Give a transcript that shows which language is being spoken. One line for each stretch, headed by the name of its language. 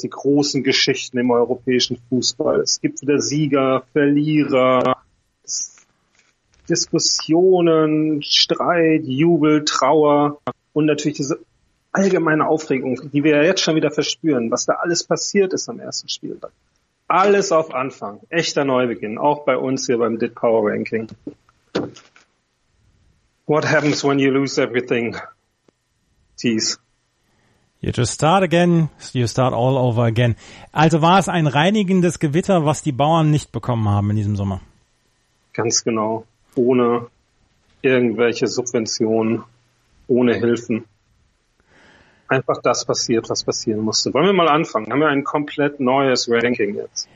German: Die großen Geschichten im europäischen Fußball. Es gibt wieder Sieger, Verlierer, Diskussionen, Streit, Jubel, Trauer und natürlich diese allgemeine Aufregung, die wir ja jetzt schon wieder verspüren, was da alles passiert ist am ersten Spieltag. Alles auf Anfang, echter Neubeginn, auch bei uns hier beim DIT Power Ranking.
English: What happens when you lose everything? Tease. You just start again, you start all over again.
German: Also war es ein reinigendes Gewitter, was die Bauern nicht bekommen haben in diesem Sommer? Ganz genau, ohne irgendwelche Subventionen, ohne Hilfen. Einfach das passiert, was passieren musste. Wollen wir mal anfangen? Haben wir ein komplett neues Ranking jetzt?